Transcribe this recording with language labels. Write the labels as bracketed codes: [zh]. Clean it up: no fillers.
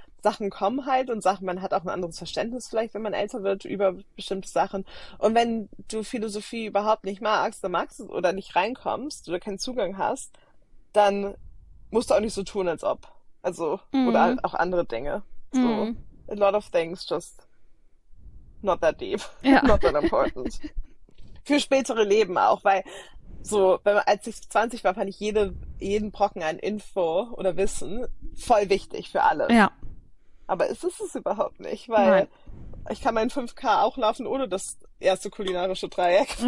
[de] Sachen kommen halt und Sachen, man hat auch ein anderes Verständnis vielleicht, wenn man älter wird, über bestimmte Sachen. Und wenn du Philosophie überhaupt nicht magst, dann magst du es oder nicht reinkommst oder keinen Zugang hast, dann musst du auch nicht so tun, als ob. Also, oder auch andere Dinge. [en] So, a lot of things just not that deep, not that important. [de] Für spätere Leben auch, weil so, wenn man, als ich 20 war, fand ich jeden Brocken an Info oder Wissen voll wichtig für alles. Aber es ist es überhaupt nicht, weil Nein. ich kann mein 5K auch laufen ohne das erste kulinarische Dreieck von